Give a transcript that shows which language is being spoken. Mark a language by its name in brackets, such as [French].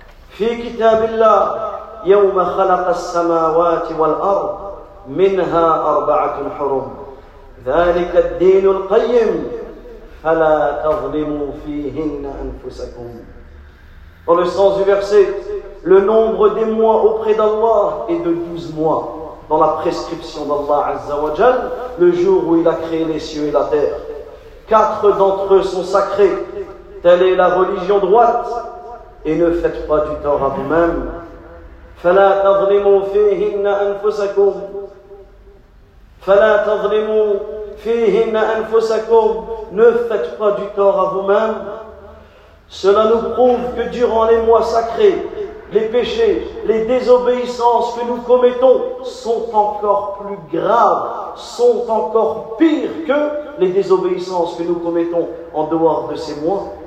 [Arabic] Fi kitabillah, يوم خلق السماوات والأرض منها أربعة حرم ذلك الدين القيم فلا تظلموا فيهن أنفسكم. [French] Dans le sens du verset, le nombre des mois auprès d'Allah est de 12 mois dans la prescription d'Allah Azza wa Jal, le jour où il a créé les cieux et la terre. Quatre d'entre eux sont sacrés, telle est la religion droite, et ne faites pas du tort à vous-même. [Arabic] فلا تظلموا فيهن أنفسكم فلا تظلموا فيهن أنفسكم. [French] Ne faites pas du tort à vous-même. Cela nous prouve que durant les mois sacrés, les péchés, les désobéissances que nous commettons sont encore plus graves, sont encore pires que les désobéissances que nous commettons en dehors de ces mois.